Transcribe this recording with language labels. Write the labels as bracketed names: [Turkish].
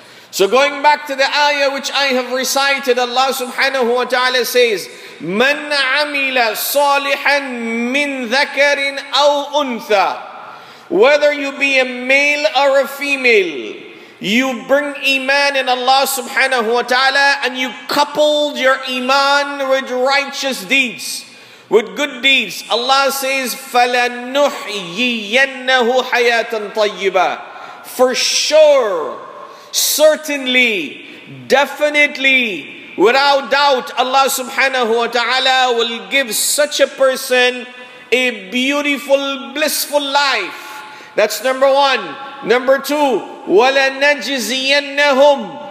[English] So going back to the ayah which I have recited, Allah subhanahu wa ta'ala says, [Arabic] "Man amila salihan min dhakarin aw untha," [English] whether you be a male or a female, you bring iman in Allah subhanahu wa ta'ala and you coupled your iman with righteous deeds, with good deeds. Allah says, [Arabic] فَلَنُحْيِيَنَّهُ حَيَاةً طَيِّبًا. [English] For sure, certainly, definitely, without doubt, Allah subhanahu wa ta'ala will give such a person a beautiful, blissful life. That's number one. Number two, [Arabic] وَلَنَجْزِيَنَّهُمْ.